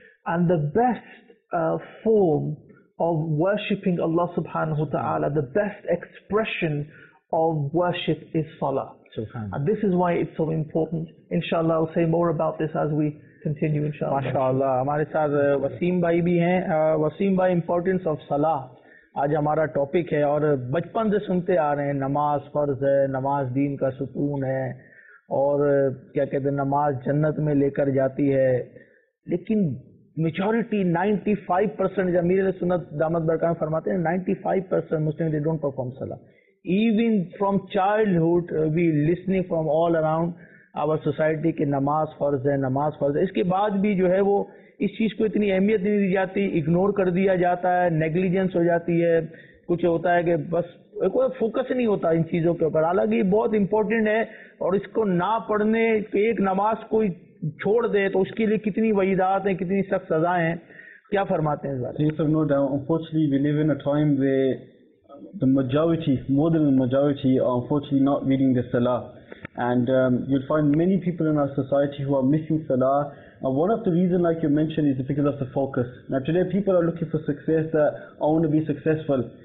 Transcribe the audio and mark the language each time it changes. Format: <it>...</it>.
<en>And the best form of worshipping Allah subhanahu wa ta'ala, the best expression of worship, is salah. And this is why it's so important. Inshallah, I'll say more about this as we continue, inshallah.</en> <ur>MashaAllah. Hamare saath Waseem bhai bhi hain. Waseem bhai,</ur> <en>importance of salah.</en> <ur>آج ہمارا topic ہے اور بچپن سے سنتے آ رہے ہیں, نماز فرض ہے, نماز دین کا ستون ہے, اور کیا کہتے ہیں, نماز جنت میں لے کر جاتی ہے. لیکن میچورٹی 95% امیر علیہ سنت دامت برکاتہ فرماتے ہیں 95%</ur> <en>Muslim they don't perform صلاح. Even from childhood we listening from all around our society</en> <ur>کہ نماز فرض ہے, نماز فرض ہے. اس کے بعد بھی جو ہے وہ اس چیز کو اتنی اہمیت نہیں دی جاتی, اگنور کر دیا جاتا ہے, نیگلیجنس ہو جاتی ہے, کچھ ہوتا ہے کہ بس کوئی فوکس نہیں ہوتا ان چیزوں کے اوپر. حالانکہ یہ بہت امپورٹنٹ ہے, اور اس کو نہ پڑھنے کہ ایک نماز کوئی چھوڑ دے تو اس کے لیے کتنی وعیدات ہیں, کتنی سخت سزائیں ہیں. کیا فرماتے ہیں اس بارے میں؟</ur> <en>Unfortunately, we live in a time where the majority, more than the majority, are unfortunately not reading the salah. And you'll find many people in our society who are missing salah. One of the reasons, like you mentioned, is because of the focus. Now today people are looking for success, that I want to be successful.</en>